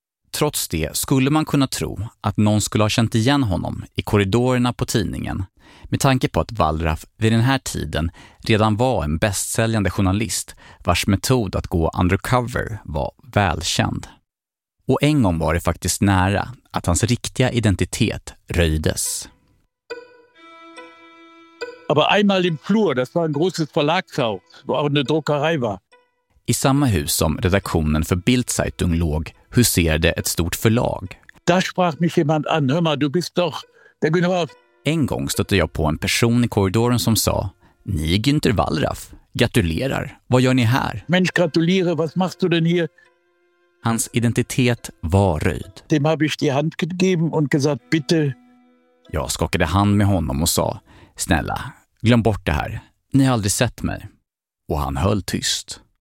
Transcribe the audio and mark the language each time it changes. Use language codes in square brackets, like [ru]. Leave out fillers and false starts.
[sv] Trots det skulle man kunna tro att någon skulle ha känt igen honom i korridorerna på tidningen. Med tanke på att Wallraff vid den här tiden redan var en bästsäljande journalist vars metod att gå undercover var välkänd. Och en gång var det faktiskt nära att hans riktiga identitet röjdes. [de] Aber einmal im Flur, das war ein großes Verlagshaus, wo auch eine Druckerei war. [sv] I samma hus som redaktionen för Bildzeitung låg, huserade ett stort förlag. [de] Da sprach mich jemand an, hör mal, du bist doch der Günter Wallraff. [sv] En gång stötte jag på en person i korridoren som sa: "Ni är Günter Wallraff. Gratulerar. Vad gör ni här?" [de] Mensch, gratuliere, was machst du denn hier? [sv] Hans identitet var röjd. [de] Dem habe ich die Hand gegeben und gesagt, bitte. [sv] Jag skakade hand med honom och sa: "Snälla, glöm bort det här. Ni har aldrig sett mig." Och han höll tyst.